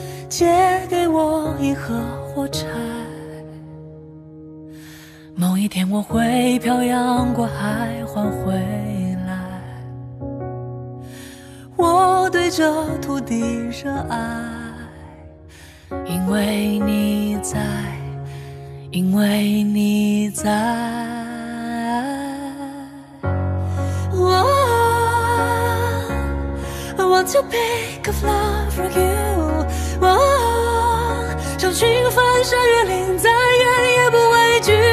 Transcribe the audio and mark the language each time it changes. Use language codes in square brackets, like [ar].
[zh] 借给我一盒火柴，某一天我会漂洋过海还回来，我对这土地热爱，因为你在，因为你在。 [en] Oh, I want to pick up love from you. [zh] Oh, 想寻翻山越岭再远也不畏惧。